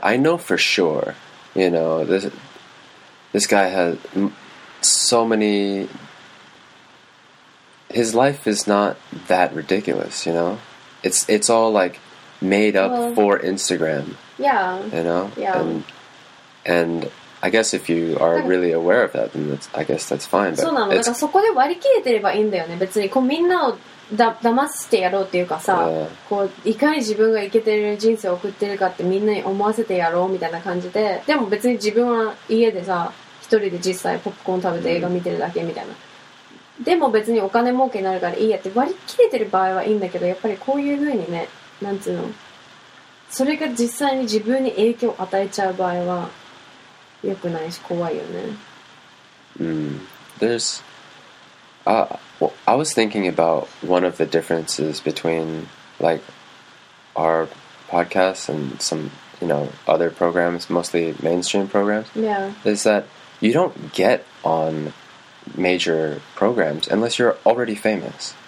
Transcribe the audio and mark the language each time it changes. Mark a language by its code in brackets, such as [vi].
[en] I know for sure, you know, this guy has so many. His life is not that ridiculous, you know? It's all like. Made up for Instagram. Yeah. You know? Yeah. And I guess if you are really aware of that, then I guess that's fine. But [ja] そうなの。だからそこで割り切れてればいいんだよね。別にこうみんなをだ騙してやろうっていうかさ、こういかに自分がイケてる人生を送ってるかってみんなに思わせてやろうみたいな感じで、でも別に自分は家でさ、一人で実際ポップコーン食べて映画見てるだけみたいな。でも別にお金儲けになるからいいやって割り切れてる場合はいいんだけど、やっぱりこういう風にね、なんつうの、それが実際に自分に影響を与えちゃう場合は良くないし怖いよね。 [en] There's I was thinking about one of the differences between like our podcasts and some, you know, other programs, mostly mainstream programs. Yeah. Is that you don't get on major programs unless you're already famous.